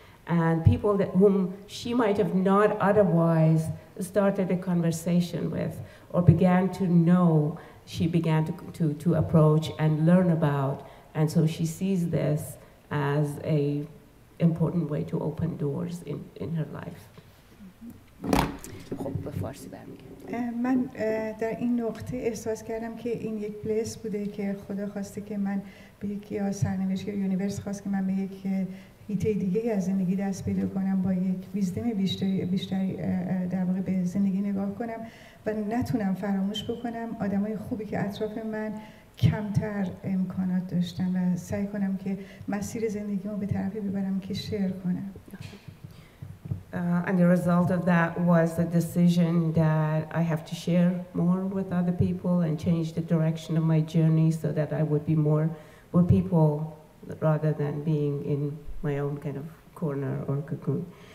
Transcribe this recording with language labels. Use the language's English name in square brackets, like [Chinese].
[English] And people that whom she might have not otherwise started a conversation with or began to know, she began to approach and learn about. And so she sees this as a important way to open doors in her life. [Persian] خب به فارسی برمیگم. من در این نقطه احساس کردم که این یک بلس بوده که خدا خواسته که من به یک یا سرنوشت یا یونیورس خواست که من به یک هیته دیگه از زندگی دست پیدا کنم با یک ویزدم بیشتر در واقع به زندگی نگاه کنم و نتونم فراموش بکنم آدمای خوبی که اطراف من کمتر امکانات داشتن و سعی کنم که مسیر زندگیمو به طرفی ببرم که شیر کنم. [English] And the result of that was the decision that I have to share more with other people and change the direction of my journey so that I would be more with people rather than being in my own kind of corner or cocoon.